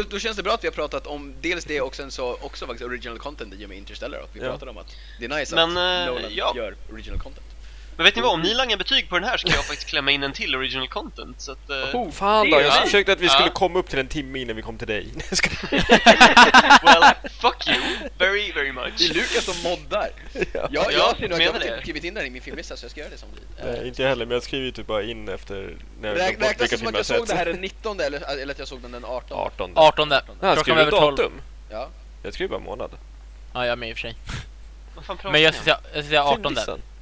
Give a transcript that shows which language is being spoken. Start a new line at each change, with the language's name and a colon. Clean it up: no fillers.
Swedish: Då känns det bra att vi har pratat om dels det och sen så också faktiskt original content i och med Interstellar. Att vi pratar om att det är nice men, att Nolan gör original content. Men vet ni vad, om ni langar betyg på den här ska jag faktiskt klämma in en till original content. Så att, oh, fan då, jag försökte att vi skulle komma upp till en timme innan vi kom till dig.
English: Well, fuck you, very, very much.
Swedish: Det är Lucas som moddar. Jag har skrivit in det i min filmlista så jag ska göra det som blir. Nej, inte heller, men jag skriver ju typ bara in efter när jag har fått vilka filmer jag såg det här den 19 eller att jag såg den 18. 18. 18. Nej, skriver du datum? Ja. Jag skriver bara månad. Ja, jag med i och för sig. Men jag ska säga 18 där.